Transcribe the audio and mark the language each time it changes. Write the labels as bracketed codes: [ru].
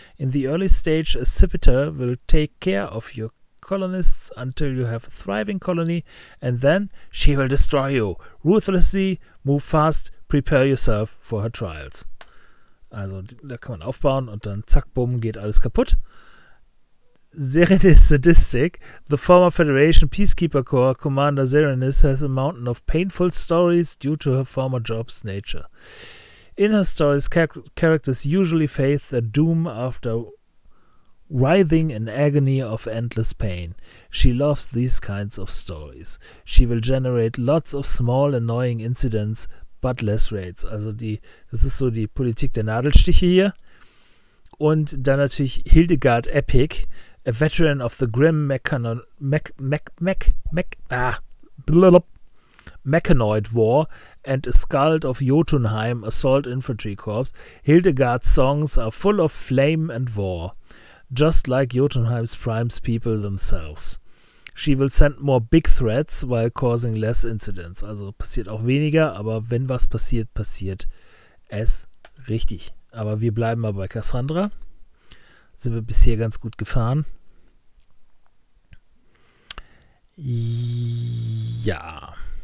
[en] In the early stage, a Sipiter will take care of your colonists until you have a thriving colony, and then she will destroy you. Ruthlessly, move fast, prepare yourself for her trials. [de] Also, da kann man aufbauen und dann zack, bumm, geht alles kaputt. [en] Serenis Sadistic, the former Federation Peacekeeper Corps Commander Serenis has a mountain of painful stories due to her former job's nature. In her stories, characters usually face a doom after writhing in agony of endless pain. She loves these kinds of stories. She will generate lots of small annoying incidents, but less raids. [de] Also das ist so die Politik der Nadelstiche hier. Und dann natürlich [en] Hildegard Epic, a veteran of the grim Mechanoid War and a Skald of Jotunheim Assault Infantry Corps, Hildegard's songs are full of flame and war, just like Jotunheim's Prime's people themselves. She will send more big threats while causing less incidents. [de] Also passiert auch weniger, aber wenn was passiert, passiert es richtig. Aber wir bleiben mal bei Cassandra. Sind wir bisher ganz gut gefahren. Ja.